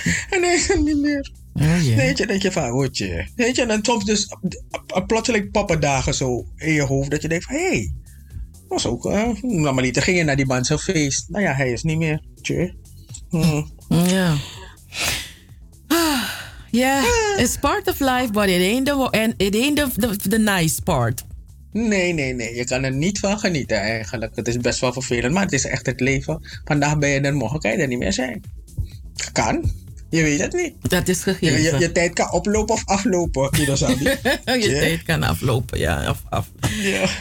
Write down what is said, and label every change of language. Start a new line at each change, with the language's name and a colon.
Dutch: En hij is er niet meer. Denk je van, hoortje. Weet je, en dan soms dus plotseling papa dagen zo in je hoofd. Dat je denkt van, hé, was ook, laat maar niet. Dan ging je naar die man zijn feest. Nou ja, hij is niet meer, tje. Ja.
English: Ja, it's part of life, but it ain't the nice part.
Dutch: Nee. Je kan er niet van genieten eigenlijk. Het is best wel vervelend, maar het is echt het leven. Vandaag ben je er, morgen kan je er niet meer zijn. Kan. Je weet het niet. Dat is gegeven. Je tijd kan oplopen of aflopen. Tijd kan aflopen, ja. Of. Yeah.